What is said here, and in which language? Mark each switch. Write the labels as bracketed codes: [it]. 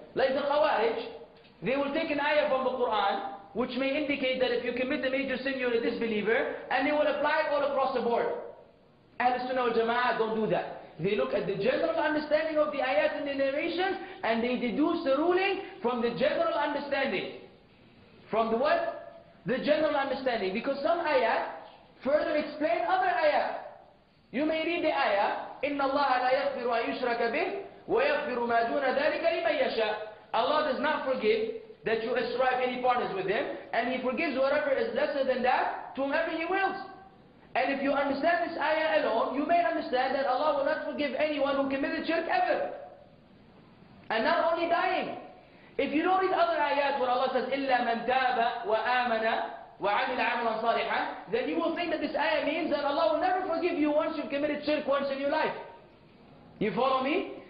[en] Like the Khawarij, they will take an ayah from the Qur'an, which may indicate that if you commit a major sin, you're a disbeliever, and they will apply it all across the board. Ahl Sunnah wal Jama'ah don't do that. They look at the general understanding of the ayat and the narrations, and they deduce the ruling from the general understanding. From the what? The general understanding. Because some ayat further explain other ayat. You may read the ayah, [ar] إِنَّ اللَّهَ لَا يَغْفِرُ أَيُشْرَكَ بِهِ وَيَغْفِرُ مَا دُونَ ذَلِكَ لِمَنْ يَشَاءُ. [en] Allah does not forgive that you ascribe any partners with him, and he forgives whatever is lesser than that to whomever he wills. And if you understand this ayah alone, you may understand that Allah will not forgive anyone who committed shirk ever. And not only dying. If you don't read other ayahs where Allah says, [ar] إِلَّا مَنْ تَابَ وَآمَنَ وَعَمِلَ عَمَلًا صَالِحًا, [en] then you will think that this ayah means that Allah will never forgive you once you've committed shirk once in your life. You follow me?